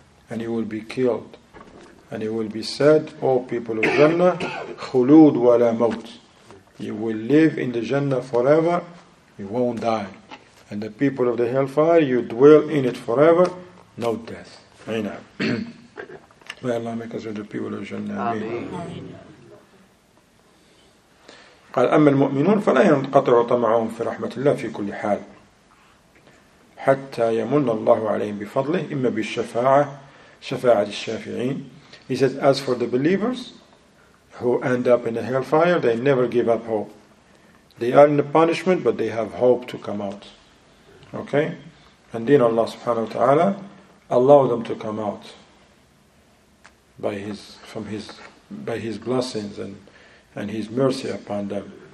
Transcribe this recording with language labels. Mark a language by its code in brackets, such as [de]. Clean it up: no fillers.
[en] And he will be killed. And it will be said, O people of Jannah, [ar] khulud wa la maut. [en] You will live in the Jannah forever, you won't die. And the people of the hellfire, you dwell in it forever, no death. Amen. May Allah make us the people of Jannah. Amen. [ar] قال أما المؤمنون فلا ينقطع طمعهم في رحمة الله في كل حال حتى يمن الله عليهم بفضله إما بالشفاعة شفاعة الشافعين. [en] He says, as for the believers who end up in a hellfire, they never give up hope. They are in the punishment, but they have hope to come out. Okay? And then Allah subhanahu wa ta'ala allow them to come out by his blessings and his mercy upon them.